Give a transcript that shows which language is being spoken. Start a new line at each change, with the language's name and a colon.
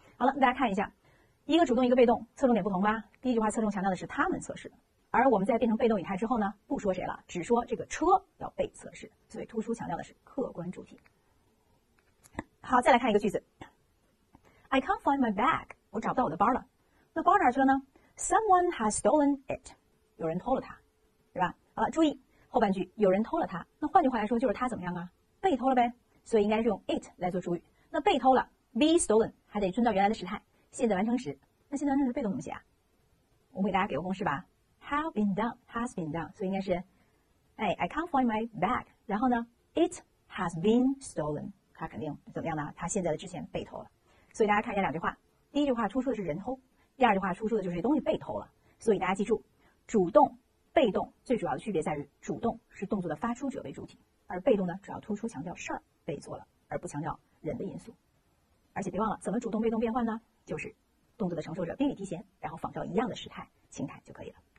Chinese: 好了，大家看一下，一个主动一个被动，侧重点不同吧？第一句话侧重强调的是他们测试，而我们在变成被动语态之后呢，不说谁了，只说这个车要被测试，所以突出强调的是客观主体。好，再来看一个句子，
English: I can't find my bag，
Chinese: 我找不到我的包了。那包哪去了呢？
English: Someone has stolen it，
Chinese: 有人偷了它，对吧？好了，注意后半句，有人偷了它，那换句话来说就是它怎么样啊？被偷了呗，所以应该是用 it 来做主语。那被偷了
English: be stolen
Chinese: 还得遵照原来的时态，现在完成时。那现在完成时被动怎么写啊？我们给大家给个公式吧，
English: have been done， has been done，
Chinese: 所以应该是，哎，
English: I can't find my bag，
Chinese: 然后呢，
English: it has been stolen，
Chinese: 它肯定怎么样呢？它现在的之前被偷了。所以大家看一下两句话，第一句话突出的是人偷，第二句话突出的就是东西被偷了。所以大家记住，主动被动最主要的区别在于，主动是动作的发出者为主体，而被动呢主要突出强调事儿被做了，而不强调人的因素。而且别忘了，怎么主动被动变换呢？就是动作的承受者宾语提前，然后仿照一样的时态情态就可以了。